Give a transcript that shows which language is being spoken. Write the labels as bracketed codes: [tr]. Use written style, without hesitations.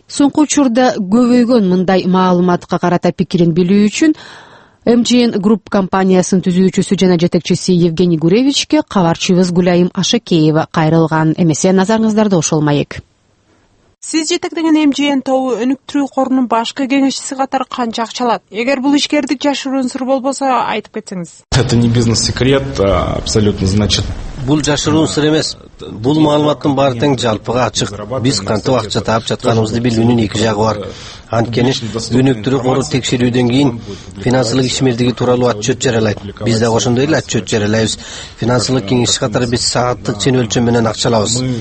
[ky] Соңку учурда көбөйгөн мындай маалыматка карата пикирин билүү үчүн MGN Group компаниясынын түзүүчүсү жана жетекчиси Евгений Гуревичке кабарчыбыз Гүлайым Ашакеева кайрылган. Эмесе назарыңыздарды ошол маек. Сиз жетектеген MGN тобу өнүктүрүү корунун башкы кеңешчиси катары канча акча алат? Эгер бул ишкердик жашыруун сыр болбосо айтып кетсеңиз. [ru] Это не бизнес секрет, а абсолютно значит. [ky] Бул жашыруун сыр эмес. Бул маалыматтын баары тең жалпыга ачык. Биз кантип акча таап жатканыбызды билүүнүн эки жагы бар. Анткени өнүктүрүү кору текшерүүдөн кийин финансылык ишмердиги тууралуу отчет жарыялайт. Биз да ошондой эле отчет жарыялайбыз. Финансылык кеңешчи катары биз сааттык чен өлчөм менен акча алабыз.